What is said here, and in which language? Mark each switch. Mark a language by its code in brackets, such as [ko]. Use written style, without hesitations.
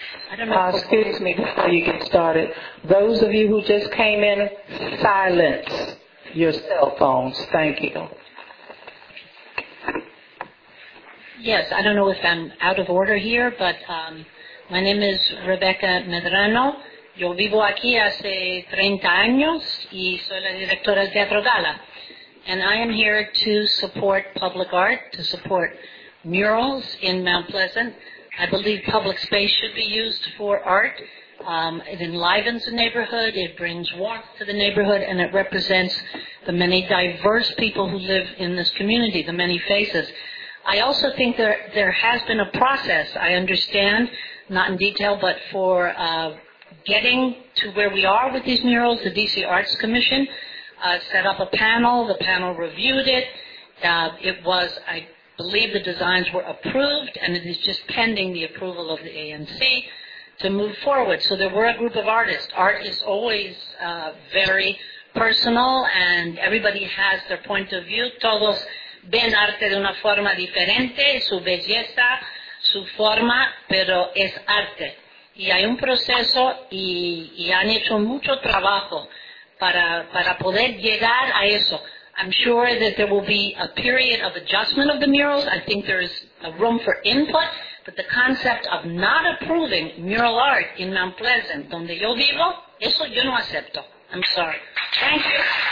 [en] I don't know. Excuse me before you get started. Those of you who just came in, silence your cell phones. Thank you. Yes, I don't know if I'm out of order here, but my name is Rebecca Medrano. [es] Yo vivo aquí hace 30 años y soy la directora de Teatro Gala. [en] And I am here to support public art, to support murals in Mount Pleasant. I believe public space should be used for art. It enlivens the neighborhood, it brings warmth to the neighborhood, and it represents the many diverse people who live in this community, the many faces. I also think there has been a process, I understand, not in detail, but for getting to where we are with these murals. The D.C. Arts Commission set up a panel. The panel reviewed it. It was, I believe, the designs were approved, and it is just pending the approval of the ANC to move forward. So there were a group of artists. Art is always very personal, and everybody has their point of view. [es] Todos ven arte de una forma diferente, su belleza, su forma, pero es arte. Y hay un proceso, y han hecho mucho trabajo para poder llegar a eso. [en] I'm sure that there will be a period of adjustment of the murals. I think there is a room for input, but the concept of not approving mural art in Mount Pleasant, [es] donde yo vivo, eso yo no acepto. [en] I'm sorry. Thank you.